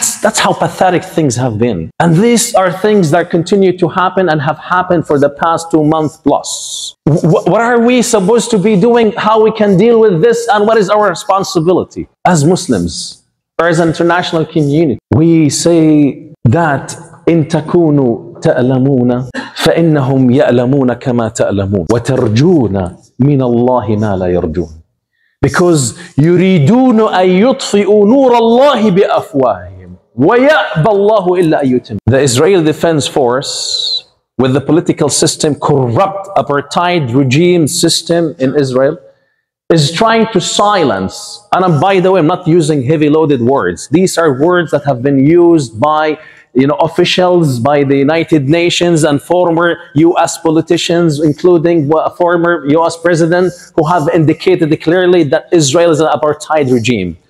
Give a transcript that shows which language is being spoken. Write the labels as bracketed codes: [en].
[en] That's how pathetic things have been. And these are things that continue to happen and have happened for the past 2 months plus. What are we supposed to be doing? How we can deal with this? And what is our responsibility as Muslims or as an international community? We say that [ar] إِن تَكُونُوا تَأْلَمُونَ فَإِنَّهُمْ يَأْلَمُونَ كَمَا تَأْلَمُونَ وَتَرْجُونَ مِنَ اللَّهِ مَا لَا يَرْجُونَ. [en] Because [ar] يُرِيدُونَ أَن يُطْفِئُوا نُورَ اللَّهِ بِأَفْوَاهِهِمْ وَيَأْبَى اللَّهُ إِلَّا أَن يُتِمَّ. [en] The Israeli Defense Force with the political system, corrupt apartheid regime system in Israel, is trying to silence. And I'm, by the way, I'm not using heavy loaded words. These are words that have been used by, you know, officials, by the United Nations and former US politicians, including a former US president, who have indicated clearly that Israel is an apartheid regime.